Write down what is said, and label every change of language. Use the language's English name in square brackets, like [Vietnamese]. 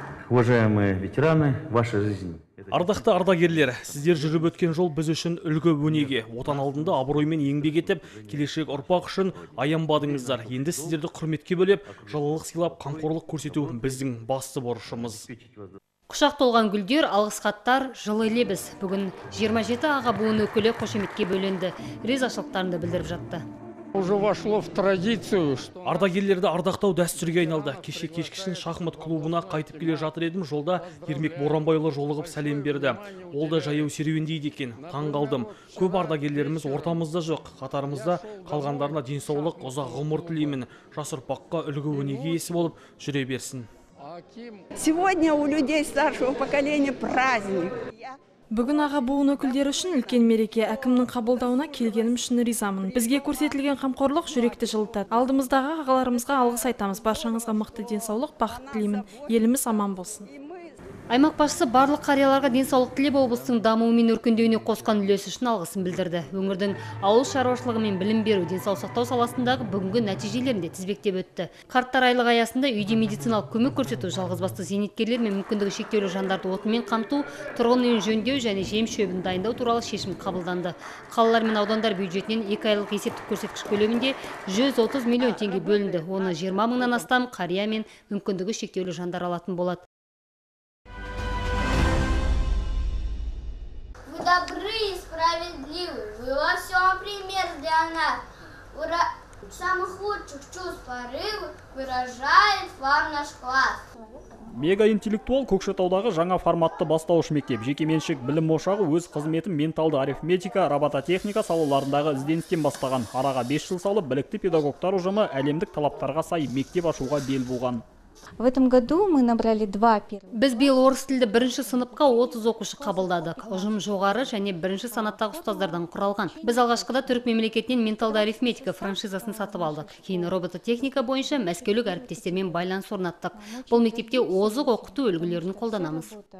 [Russian] Уважаемые ветераны, ваша жизнь. [Kazakh] Ардақты ардагерлер, сіздер жүріп өткен жол біз үшін үлгі өнеге. Отан алдында абыроймен еңбек етіп, келешек ұрпақ үшін аянбадыңыздар. Енді сіздерді құрметке бөлеп, жылылық сыйлап, қамқорлық көрсету біздің басты борышымыз. Құшақ толған гүлдер, алғыс хаттар, жылы лебіз. Бүгін 27 аға буын өкілі қошеметке бөленді. Ризашылықтарымды білдіріп жатты. [Russian] Уже вошло в традицию. [Kazakh] Ардагерлерді ардақтау дәстүрге айналды. Кеше кешкісін шахмат клубына қайтып келе жатыр едім. Жолда Ермек Боранбайұлы жолығып сәлем берді. Ол да жаяу серуендейді екен. Таң қалдым. Көп ардагерлеріміз ортамызда жоқ. Қатарымызда қалғандарына денсаулық, ұзақ ғұмыр тілеймін. Жас ұрпаққа үлгі өнеге есі болып жүре берсін. [Russian] Сегодня у людей старшего поколения праздник. [Kazakh] Бүгін аға буын өкілдері үшін үлкен мереке. Әкімнің қабылдауына келгенім үшін ризамын. Бізге көрсетілген қамқорлық жүректі жылытады. Алдымыздағы ағаларымызға алғыс айтамыз. Баршаңызға мықты денсаулық, бақыт тілеймін. Еліміз аман болсын. Аймақ басшысы барлық қарияларға денсаулық тілеп, облыстың дамуы мен өркендеуіне қосқан үлесі үшін алғысын білдірді. Өңірдің ауыл шаруашылығы мен білім беру денсаулық сақтау саласындағы бүгінгі нәтижелерін де тізбектеп өтті. Қарттар айлығы аясында үйде медициналық көмек көрсету, жалғызбасты зейнеткерлер мен мүмкіндігі шектеулі жандарды отынмен қамту, тұрғын үйін жөндеу және жем шөбін дайындау туралы шешім қабылданды. Қалалар мен аудандар бюджетінен 2 айлық есептік көрсеткіш көлемінде 130 миллион теңге бөлінді. Оны 20 мыңнан астам қария мен мүмкіндігі шектеулі жандар алатын болады. [Russian] Добры и справедливы, вы во всем пример для нас. Ура... Самых лучших чувств порывы выражает вам наш класс. [Kazakh] Мега-интеллектуал Көкшетаудағы жаңа форматты бастауыш мектеп. Жекеменшік білім ошағы өз қызметін менталды арифметика, робототехника салаларындағы ізденістен бастаған. Араға 5 жыл салып, білікті педагогтар ұжымы әлемдік талаптарға сай мектеп ашуға бел болған. [Russian] В этом году мы набрали 2 первых. [Kazakh] Біз биыл орыс тілді бірінші сыныпқа 30 оқушы қабылдадық. Ұжым жоғары және бірінші санаттағы ұстаздардан құралған. Біз алғашқыда түрік мемлекетінен менталды арифметика франшизасын сатып алдық. Кейін робототехника бойынша мәскеулік әріптестермен байланыс орнаттық. Бұл мектепте озық оқыту үлгілерін қолданамыз.